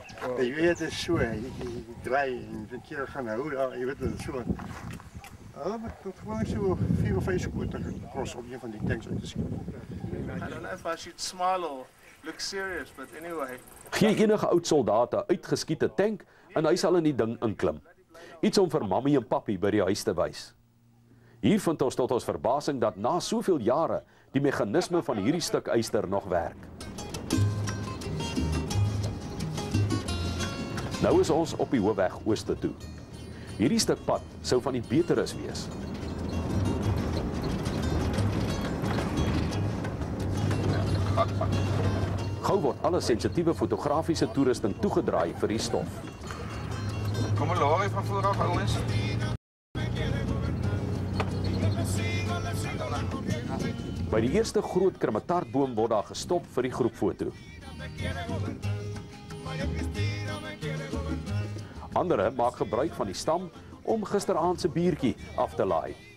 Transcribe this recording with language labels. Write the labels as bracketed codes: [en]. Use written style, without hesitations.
[af] Oh, okay. Jy weet, dit is so, jy draai en die keer gaan hou, jy weet, dit is so. Dat gewoon so 4 of 5 skote gekros om een van die tanks uit te skiet. [en] I don't know if I should smile or look serious, but anyway. [af] Gee enige oud soldaat 'n uitgeskiete tank en hy sal in die ding inklim. Iets om vir mammy en papi by die huis te wys. Hier vind ons tot ons verbasing dat na soveel jare die meganisme van hierdie stuk yster nog werk. Nou is ons op die hoofweg ooste toe. Hierdie stuk pad sou van die beteres wees. Gou word alle sensitiewe fotografiese toerusting toegedraai vir die stof. Kom maar laai van voor af, ouens. By die eerste groot krematartboom word daar gestop vir die groepfoto. Andere maak gebruik van die stam om gisteraand se biertjie af te laai.